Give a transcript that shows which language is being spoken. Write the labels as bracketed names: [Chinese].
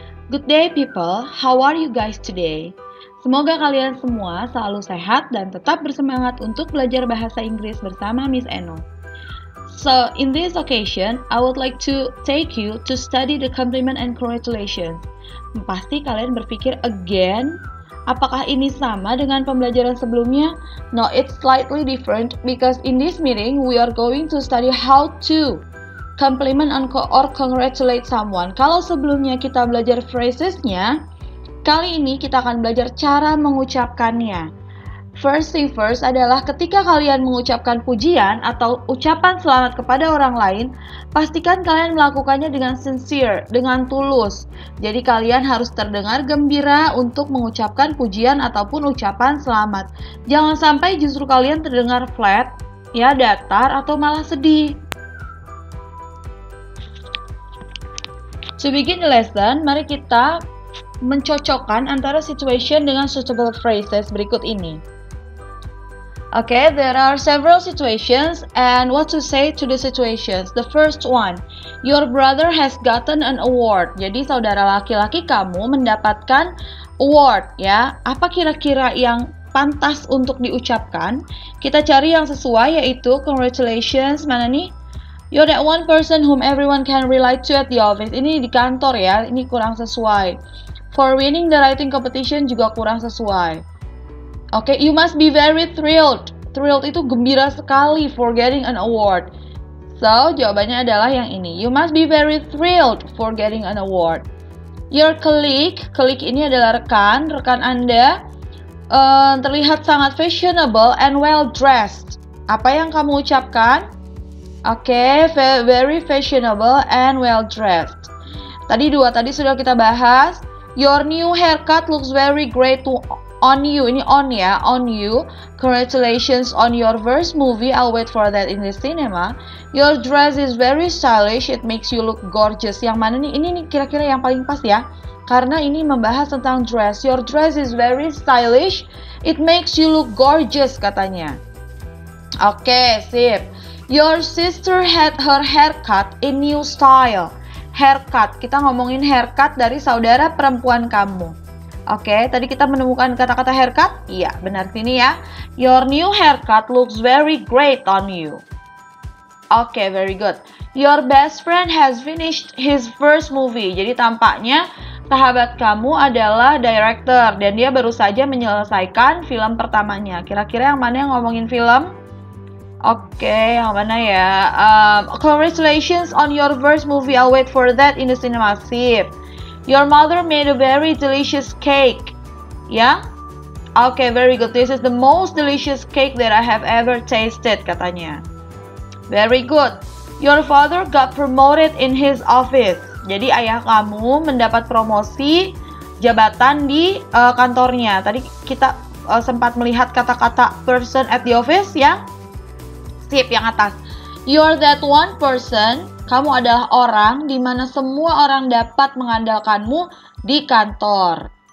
[English] Good day people, how are you guys today? [Indonesian] Semoga kalian semua selalu sehat dan tetap bersemangat untuk belajar bahasa Inggris bersama Miss Eno. [English] So, in this occasion, I would like to take you to study the compliment and congratulations. [Indonesian] Pasti kalian berpikir again, apakah ini sama dengan pembelajaran sebelumnya? [English] No, it's slightly different because in this meeting, we are going to study how to compliment or congratulate someone. [Indonesian] Kalau sebelumnya kita belajar phrases-nya, kali ini kita akan belajar cara mengucapkannya. [English] First thing first [Indonesian] adalah ketika kalian mengucapkan pujian atau ucapan selamat kepada orang lain, pastikan kalian melakukannya dengan sincere, dengan tulus. Jadi kalian harus terdengar gembira untuk mengucapkan pujian ataupun ucapan selamat. Jangan sampai justru kalian terdengar flat, ya datar, atau malah sedih. [English] To begin the lesson, [Indonesian] mari kita mencocokkan antara situation dengan [English] suitable phrases [Indonesian] berikut ini. [English] Okay, there are several situations and what to say to the situations. The first one, your brother has gotten an award. [Indonesian] Jadi saudara laki-laki kamu mendapatkan award, ya. Apa kira-kira yang pantas untuk diucapkan? Kita cari yang sesuai yaitu congratulations, mana nih? [English] You're that one person whom everyone can rely to at the office. [Indonesian] Ini di kantor ya, ini kurang sesuai. [English] For winning the writing competition [Indonesian] juga kurang sesuai. [English] Okay, you must be very thrilled. Thrilled [Indonesian] itu gembira sekali [English] for getting an award. [Indonesian] So, jawabannya adalah yang ini. [English] You must be very thrilled for getting an award. Your colleague, colleague [Indonesian] ini adalah rekan, rekan Anda, terlihat sangat [English] fashionable and well-dressed. [Indonesian] Apa yang kamu ucapkan? [English] Okay, very fashionable and well-dressed. [Indonesian] Tadi sudah kita bahas. [English] Your new haircut looks very great on you. Ini on ya, on you. Congratulations on your first movie. I'll wait for that in the cinema. Your dress is very stylish. It makes you look gorgeous. [Indonesian] Yang mana nih? Ini nih kira-kira yang paling pas ya. Karena ini membahas tentang dress. [English] Your dress is very stylish. It makes you look gorgeous, katanya. Okay, sip. Your sister had her haircut in new style. [Indonesian] Haircut, kita ngomongin haircut dari saudara perempuan kamu. Oke, okay, tadi kita menemukan kata-kata haircut? Iya, benar sini ya. [English] Your new haircut looks very great on you. Oke, okay, very good. Your best friend has finished his first movie. [Indonesian] Jadi tampaknya sahabat kamu adalah director dan dia baru saja menyelesaikan film pertamanya. Kira-kira yang mana yang ngomongin film? Okay, yang mana ya? [English] Congratulations on your first movie. I'll wait for that in the cinema. Sip. Your mother made a very delicious cake. Yeah? Okay, very good. This is the most delicious cake that I have ever tasted, katanya. Very good. Your father got promoted in his office. [Indonesian] Jadi ayah kamu mendapat promosi jabatan di kantornya. Tadi kita sempat melihat kata-kata [English] person at the office, [Indonesian] ya? Yeah? Sip, yang atas. [English] You're that one person, [Indonesian] kamu adalah orang di mana semua orang dapat mengandalkanmu di kantor.